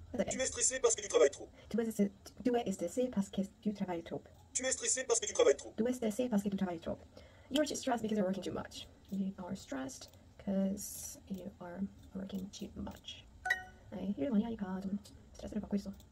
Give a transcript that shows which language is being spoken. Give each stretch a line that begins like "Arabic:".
French: Tu es stressé parce que tu travailles trop. Tu es stressé parce que tu travailles trop. Tu es stressé parce que tu travailles trop.
English: You are stressed because you're working too much. You are stressed because you are working too much.
Korean: Hey, 이런 거니까 좀 스트레스를 받고 있어.